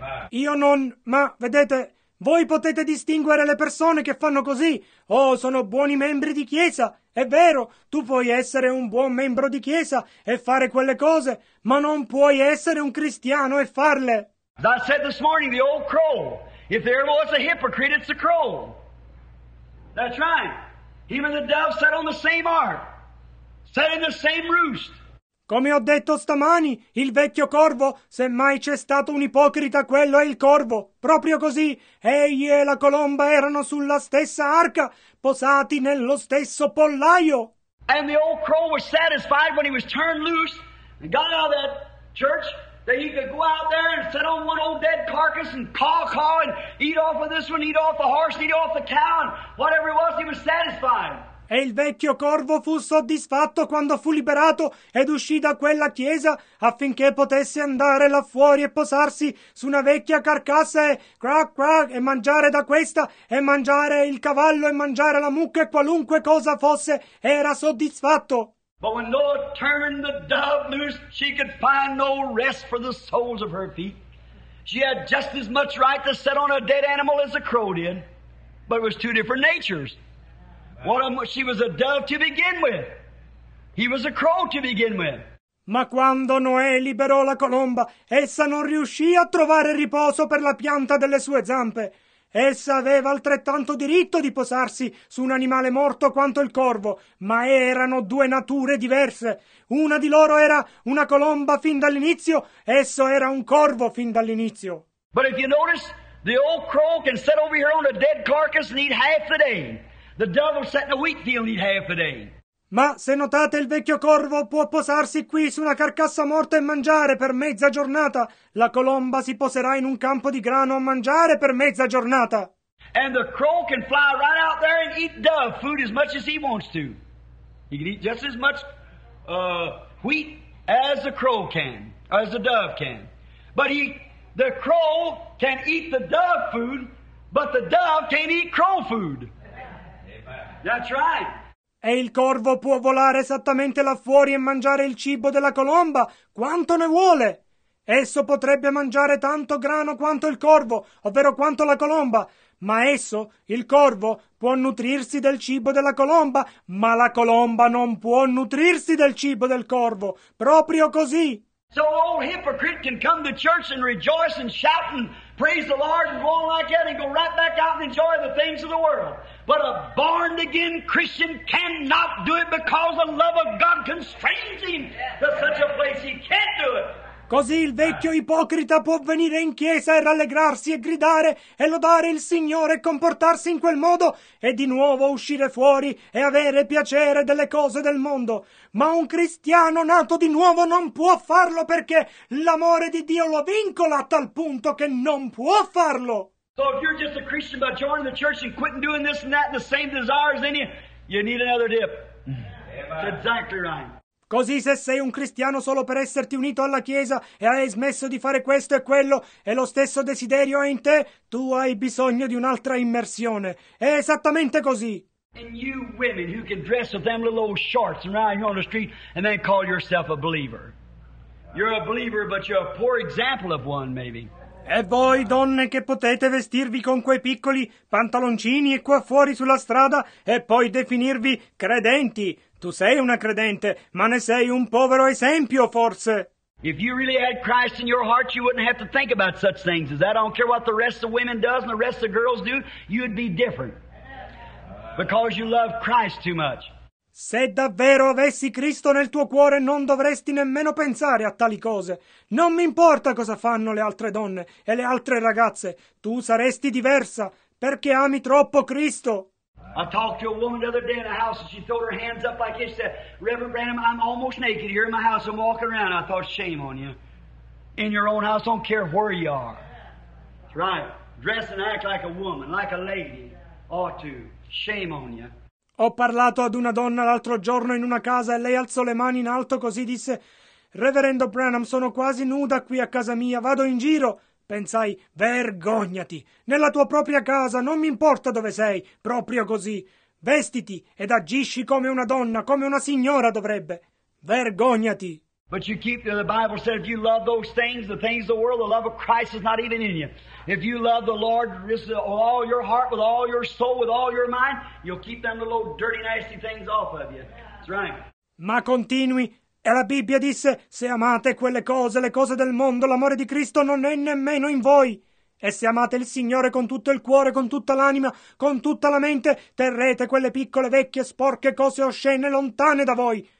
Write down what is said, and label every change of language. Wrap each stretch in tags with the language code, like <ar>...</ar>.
<it>Io non, ma vedete, voi potete distinguere le persone che fanno così. Oh, sono buoni membri di chiesa. È vero, tu puoi essere un buon membro di chiesa e fare quelle cose, ma non puoi essere un cristiano e farle.</it> <en>I said this morning, the old crow. If there was a hypocrite, it's a crow. That's right. Him and the dove sat on the same ark, sat in the same roost.</en> <it>Come ho detto stamani, il vecchio corvo, se mai c'è stato un ipocrita, quello è il corvo. Proprio così, egli e la colomba erano sulla stessa arca, posati nello stesso pollaio.</it> <en>And the old crow was satisfied when he was turned loose and got out of that church, that he could go out there and sit on one old dead carcass and caw, caw, and eat off of this one, eat off the horse, eat off the cow, and whatever it was, he was satisfied.</en> <it>E il vecchio corvo fu soddisfatto quando fu liberato ed uscì da quella chiesa affinché potesse andare là fuori e posarsi su una vecchia carcassa e crack crack e mangiare da questa e mangiare il cavallo e mangiare la mucca e qualunque cosa fosse, era soddisfatto.</it> <en>But when Noah turned the dove loose, she could find no rest for the soles of her feet. She had just as much right to sit on a dead animal as a crow did, but it was two different natures. One of them, she was a dove to begin with. He was a crow to begin with.</en> <it>Ma quando Noè liberò la colomba, essa non riuscì a trovare riposo per la pianta delle sue zampe. Essa aveva altrettanto diritto di posarsi su un animale morto quanto il corvo, ma erano due nature diverse. Una di loro era una colomba fin dall'inizio, esso era un corvo fin dall'inizio.</it> <en>But if you notice, the old crow can sit over here on a dead carcass and eat half the day. The dove sat in a wheat field and eat half a day.</en> <it>Ma se notate, il vecchio corvo può posarsi qui su una carcassa morta e mangiare per mezza giornata. La colomba si poserà in un campo di grano a mangiare per mezza giornata.</it> <en>And the crow can fly right out there and eat dove food as much as he wants to. He can eat just as much wheat as the crow can, as the dove can. But the crow can eat the dove food, but the dove can't eat crow food. That's right.</en> <it>E il corvo può volare esattamente là fuori e mangiare il cibo della colomba quanto ne vuole. Esso potrebbe mangiare tanto grano quanto il corvo, ovvero quanto la colomba, ma esso, il corvo, può nutrirsi del cibo della colomba, ma la colomba non può nutrirsi del cibo del corvo, proprio così.</it> <en>So old hypocrite can come to church and rejoice and shout and praise the Lord and go on like that and go right back out and enjoy the things of the world. But a born again Christian cannot do it because the love of God constrains him to such a place. He can't do it.</en> <it>Così il vecchio ipocrita può venire in chiesa e rallegrarsi e gridare e lodare il Signore e comportarsi in quel modo e di nuovo uscire fuori e avere piacere delle cose del mondo. Ma un cristiano nato di nuovo non può farlo perché l'amore di Dio lo vincola a tal punto che non può farlo.</it> <en>So if you're just a Christian by joining the church and quitting doing this and that and the same desires in you, you need another dip. That's exactly right.</en> <it>Così se sei un cristiano solo per esserti unito alla Chiesa e hai smesso di fare questo e quello e lo stesso desiderio è in te, tu hai bisogno di un'altra immersione. È esattamente così.</it> <en>And you women who can dress with them little old shorts and ride on the street and then call yourself a believer. You're a believer, but you're a poor example of one, maybe.</en> <it>E voi donne che potete vestirvi con quei piccoli pantaloncini e qua fuori sulla strada e poi definirvi credenti. Tu sei una credente, ma ne sei un povero esempio, forse.</it> <en>If you really had Christ in your heart, you wouldn't have to think about such things. I don't care what the rest of women does and the rest of girls do, you'd be different. Because you love Christ too much.</en> <it>Se davvero avessi Cristo nel tuo cuore, non dovresti nemmeno pensare a tali cose. Non mi importa cosa fanno le altre donne e le altre ragazze, tu saresti diversa, perché ami troppo Cristo.</it> <en>I talked to a woman the other day in the house and she threw her hands up like this and said, Reverend Branham, I'm almost naked here in my house. I'm walking around. I thought, shame on you. In your own house, don't care where you are. That's right. Dress and act like a woman, like a lady ought to. Shame on you.</en> <it>Ho parlato ad una donna l'altro giorno in una casa e lei alzò le mani in alto così disse, Reverendo Branham, sono quasi nuda qui a casa mia, vado in giro. Pensai, vergognati, nella tua propria casa, non mi importa dove sei, proprio così. Vestiti ed agisci come una donna, come una signora dovrebbe. Vergognati.</it> <en>But you keep, the Bible said, if you love those things, the things of the world, the love of Christ is not even in you. If you love the Lord with all your heart, with all your soul, with all your mind, you'll keep them little dirty, nasty things off of you. That's right.</en> <it>Ma continui. E la Bibbia disse, se amate quelle cose, le cose del mondo, l'amore di Cristo non è nemmeno in voi. E se amate il Signore con tutto il cuore, con tutta l'anima, con tutta la mente, terrete quelle piccole, vecchie, sporche cose oscene lontane da voi.</it>